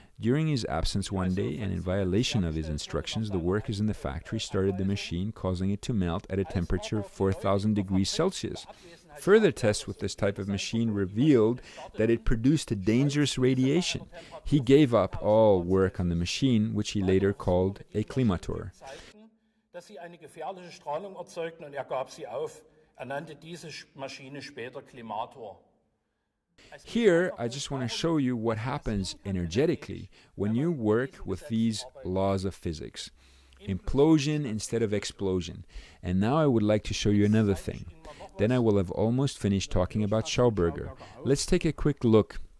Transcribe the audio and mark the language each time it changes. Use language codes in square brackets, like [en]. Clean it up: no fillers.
[en] During his absence one day, and in violation of his instructions, the workers in the factory started the machine, causing it to melt at a temperature of 4,000 degrees Celsius. Further tests with this type of machine revealed that it produced a dangerous radiation. He gave up all work on the machine, which he later called a Klimator. [de] Dass sie eine gefährliche Strahlung erzeugten und er gab sie auf, er nannte diese Maschine später Klimator. [en] Here, I just want to show you what happens energetically when you work with these laws of physics. Implosion instead of explosion. And now I would like to show you another thing. Then I will have almost finished talking about Schauberger. Let's take a quick look